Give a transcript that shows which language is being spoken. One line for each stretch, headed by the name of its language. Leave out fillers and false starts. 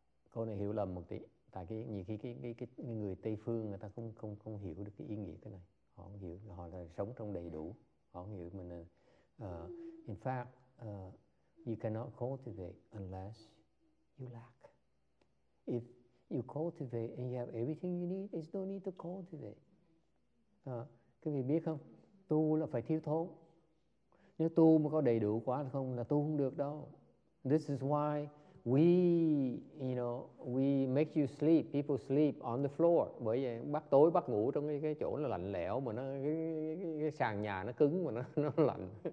Vietnamese: Cô này hiểu lầm một tí, tại cái nhiều khi cái người Tây phương người ta không hiểu được cái ý nghĩa cái này. Họ không hiểu, họ là sống trong đầy đủ. Họ không hiểu mình.
English: In fact, you cannot cultivate unless you lack. If You cultivate and you have everything you need. It's no need to cultivate.
Vietnamese: Quý vị biết không? Tu là phải thiếu thốn. Nếu tu mà có đầy đủ quá không là tu không được đâu.
English: This is why we make you sleep, people sleep on the floor.
Vietnamese: Bởi vậy bắt tối bắt ngủ trong cái chỗ là lạnh lẽo mà nó cái sàn nhà nó cứng mà nó lạnh.